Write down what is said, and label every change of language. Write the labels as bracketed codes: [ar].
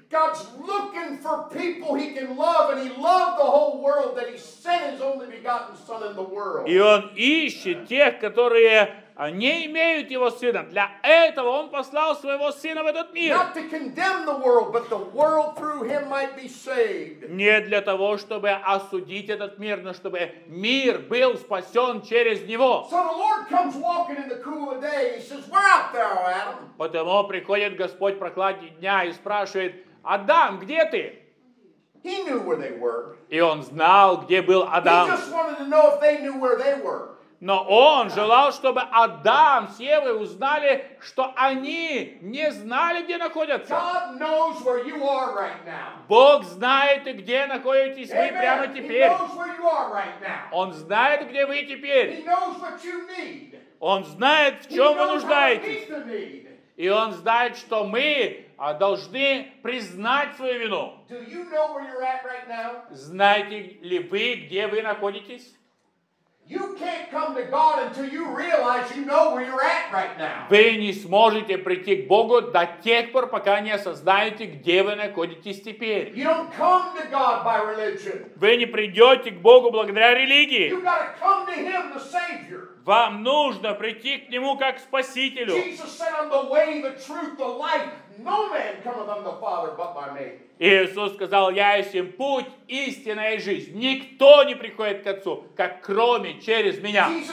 [en] God's looking for people he can love, and he loved the whole world that he sent his only begotten son in the world. [ru] И Он ищет тех, которые не имеют Его Сына. Для этого Он послал Своего Сына в этот мир. [en] Not to condemn the world, but the world through him might be saved. [ru] Не для того, чтобы осудить этот мир, но чтобы мир был спасен через Него. [en] So the Lord comes walking in the cool of the day. He says, "Where out there, Adam?" [ru] Потому приходит Господь прохладе дня и спрашивает: Адам, где ты? [en] He knew where they were. [ru] И он знал, где был Адам. [en] He just wanted to know if they knew where they were. [ru] Но он желал, чтобы Адам с Евой узнали, что они не знали, где находятся. [en] God knows where you are right now. [ru] Бог знает, где находитесь [en] Amen. [ru] Вы прямо теперь. [en] He knows where you are right now. [ru] Он знает, где вы теперь. [en] He knows what you need. [ru] Он знает, в чем [en] He knows [ru] вы нуждаетесь. И он знает, что мы должны признать свою вину. [en] Do you know where you're at right now? [ru] Знаете ли вы, где вы находитесь? [en] You can't come to God until you realize you know where you're at right now. [ru] Вы не сможете прийти к Богу до тех пор, пока не осознаете, где вы находитесь теперь. [en] You don't come to God by religion. [ru] Вы не придете к Богу благодаря религии. [en] You gotta come to Him, the Savior. [ru] Вам нужно прийти к Нему как к Спасителю. [en] Jesus said, "I'm the way, the truth, the life. No man cometh unto the Father but by me." [ru] Иисус сказал, я есть им путь, истина и жизнь. Никто не приходит к Отцу, как кроме через меня.